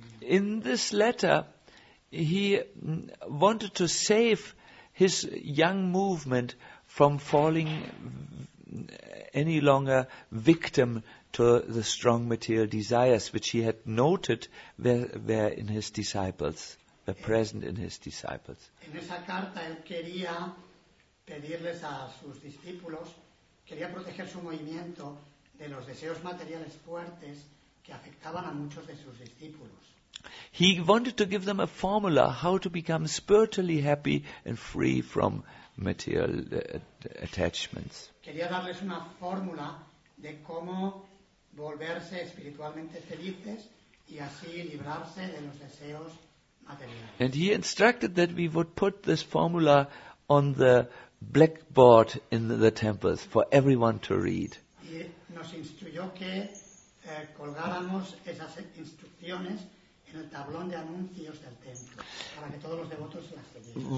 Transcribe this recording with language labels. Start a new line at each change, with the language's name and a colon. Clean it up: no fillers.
Spanish: mundo.
English: In this letter, he wanted to save his young movement from falling any longer victim to the strong material desires which he had noted were in his disciples, were present in his disciples.
Spanish: En esa carta él quería pedirles a sus discípulos, quería proteger su movimiento de los deseos materiales fuertes que afectaban a muchos de sus discípulos.
English: He wanted to give them a formula how to become spiritually happy and free from material attachments.
Spanish: Quería darles una fórmula de cómo volverse espiritualmente felices y así librarse de los deseos materiales.
English: And he instructed that we would put this formula on the blackboard in the temples for everyone to read.
Spanish: Y nos instruyó que colgáramos esas instrucciones en el tablón de anuncios del templo para que todos los devotos las leyeran.